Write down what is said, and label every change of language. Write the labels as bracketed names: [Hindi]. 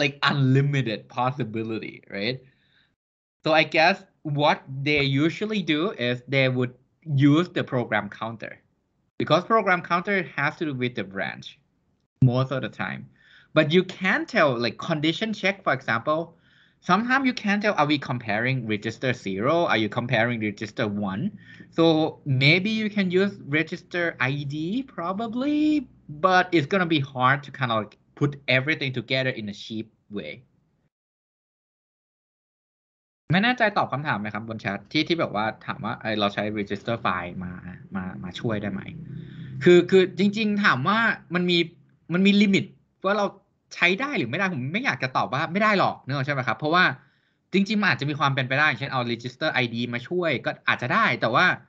[English] unlimited possibility right so I guessWhat they usually do is they would use the program counter because program counter has to do with the branch most of the time. But you can tell like condition check, for example, sometimes you can tell, are we comparing register 0? Are you comparing register 1? So maybe you can use register ID probably, but it's going to be hard to kind of like put everything together in a cheap way. [Thai] ไม่แน่ใจตอบคำถามไหมครับบนแชทที่แบบว่าถามว่าไอเราใช้ register file มาช่วยได้ไหมคือจริงๆถามว่ามันมีลิมิตว่าเราใช้ได้หรือไม่ได้ผมไม่อยากจะตอบว่าไม่ได้หรอกเนื่องใช่ไหมครับเพราะว่าจริงๆมันอาจจะมีความเป็นไปได้เช่นเอา register ID มาช่วยก็อาจจะได้แต่ว่า